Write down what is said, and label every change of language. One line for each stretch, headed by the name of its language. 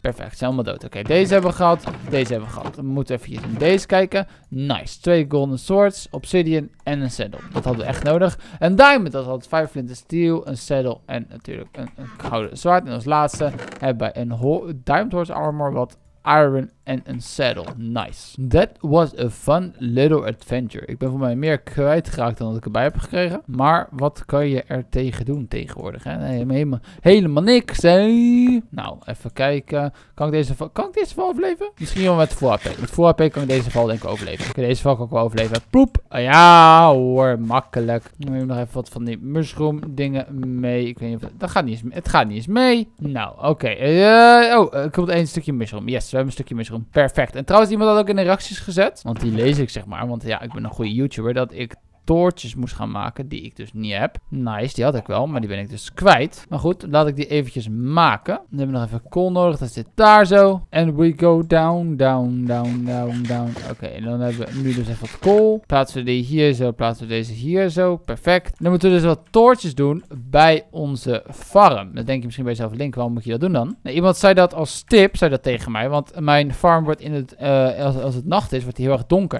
Dutch: Perfect. Ze zijn allemaal dood. Oké. Deze hebben we gehad. Deze hebben we gehad. We moeten even hier in deze kijken.
English: Nice. 2 golden swords. Obsidian.
Dutch: En een
English: saddle.
Dutch: Dat hadden we echt nodig. Een diamond. Dat had 5 flinten steel. Een saddle. En natuurlijk een gouden zwaard. En als laatste hebben we een diamond horse armor. Wat... iron en een saddle. Nice.
English: That was a fun little adventure.
Dutch: Ik ben voor mij meer kwijtgeraakt dan dat ik erbij heb gekregen. Maar wat kan je er tegen doen tegenwoordig? Hè? Helemaal niks. Hè? Nou, even kijken. Kan ik deze val overleven? Misschien wel met full AP. Met full AP kan ik deze val denk ik overleven. Oké, deze val kan ik wel overleven. Ploep. Ah, ja hoor, makkelijk. Ik neem nog even wat van die mushroom dingen mee. Ik weet niet of... Het gaat niet eens mee. Nou, oké. Ik heb een stukje mushroom. Yes, we hebben een stukje mushroom. Perfect. En trouwens, iemand had ook in de reacties gezet. Want die lees ik, zeg maar. Want ja, ik ben een goede YouTuber. Dat ik toortjes moest gaan maken, die ik dus niet heb. Nice, die had ik wel. Maar die ben ik dus kwijt. Maar goed, laat ik die eventjes maken. Dan hebben we nog even kool nodig. Dat zit daar zo.
English: And we go down, down, down, down, down.
Dutch: Oké, en dan hebben we nu dus even wat kool. Plaatsen we die hier zo. Plaatsen we deze hier zo. Perfect. Dan moeten we dus wat toortjes doen bij onze farm. Dan denk je misschien bij jezelf, Link, waarom moet je dat doen dan? Nou, iemand zei dat als tip, zei dat tegen mij. Want mijn farm wordt in het, als het nacht is, wordt die heel erg donker.